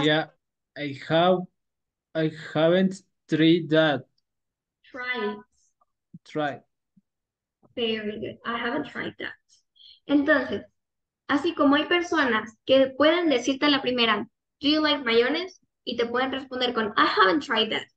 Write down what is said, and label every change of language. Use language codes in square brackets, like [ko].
[es] sería [en] I haven't tried that. tried. Try. Very good. I haven't tried that. [es] Entonces, así como hay personas que pueden decirte a la primera, [en] Do you like mayones? [es] Y te pueden responder con, [en] I haven't tried that.